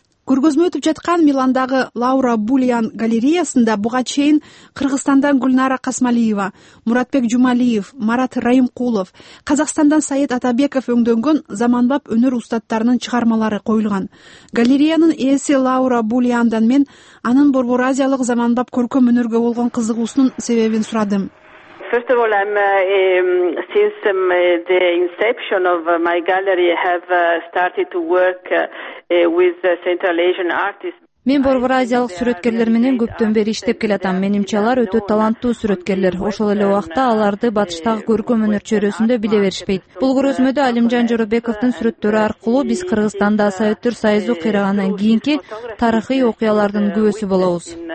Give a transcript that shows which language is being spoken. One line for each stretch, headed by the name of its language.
Kyrgyz: Көргөзмө өтүп жаткан Миландагы Лаура Булиан галереясында буга чейин Кыргызстандан Гүлнара Касмалиева, Муратбек Жумалиев, Марат Раимкулов, Казакстандан Саид Атабеков өңдөнгөн заманбап өнөр устаттарынын чыгармалары коюлган. Галереянын ээси Лаура Булиандан мен анын борбор азиялык заманбап көркөм өнөргө болгон кызыгуусунун себебин сурадым.
English: First of all, I'm since the inception of my gallery have started to work with Central Asian artists.
Kyrgyz: Мен борбор азиялык сүрөткерлер менен көптөн бери иштеп келатам. Менимче алар өтө таланттуу сүрөткерлер. Ошол эле убакта аларды батыштагы көркөм өнөр чөйрөсүндө биле беришпейт. Бул көрсөтмөдө Алимжан Жоробековдун сүрөттөрү аркылуу биз Кыргызстанда Советтер Союзу кыйрагандан кийинки тарыхый окуялардын күбөсү болобуз.